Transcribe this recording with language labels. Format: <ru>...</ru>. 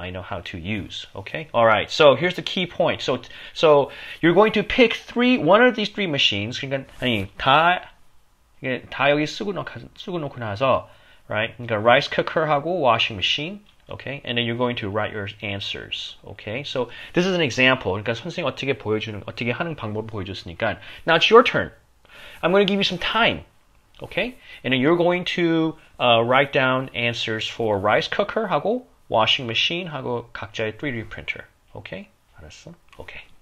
<en>I know how to use. Okay. All right. So here's the key point. So you're going to pick one of these three machines.</en> <ko>그러니까 아니 다 여기 쓰고 놓고 나서,</ko> <en>right?</en> <ko>그러니까</ko> <en>rice cooker하고 washing machine. Okay. And then you're going to write your answers. Okay. So this is an example.</en> <ko>그러니까 선생님 어떻게 하는 방법을 보여줬으니까.</ko> <en>Now it's your turn. I'm going to give you some time. Okay, and then you're going to write down answers for rice cooker</en> <ko>하고</ko> <en>washing machine</en> <ko>하고 각자의</ko> <en>3D printer. Okay,</en> <ko>알았어?</ko> <en>Okay.</en>